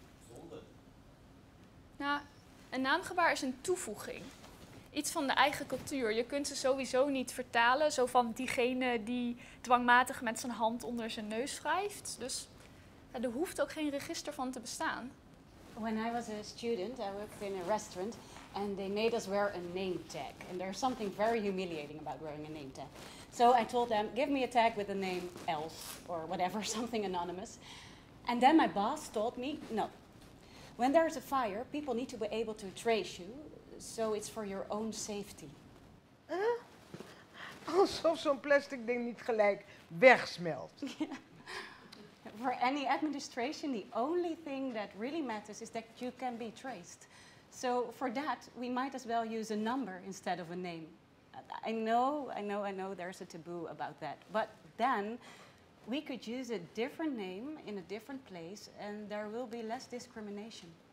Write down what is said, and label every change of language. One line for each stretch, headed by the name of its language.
Dutch: Zonde. Nou, een naamgebaar is een toevoeging. Iets van de eigen cultuur. Je kunt ze sowieso niet vertalen, zo van diegene die dwangmatig met zijn hand onder zijn neus wrijft. Dus ja, er hoeft ook geen register van te bestaan.
English: When I was a student, I worked in a restaurant and they made us wear a name tag. And there's something very humiliating about wearing a name tag. So I told them, give me a tag with the name Elf or whatever, something anonymous. And then my boss told me, no. When there's a fire, people need to be able to trace you. So it's for your own safety. Huh?
Dutch: Alsof zo'n plastic ding niet gelijk wegsmelt.
English: Yeah. For any administration, the only thing that really matters is that you can be traced. So for that, we might as well use a number instead of a name. I know there's a taboo about that. But then we could use a different name in a different place and there will be less discrimination.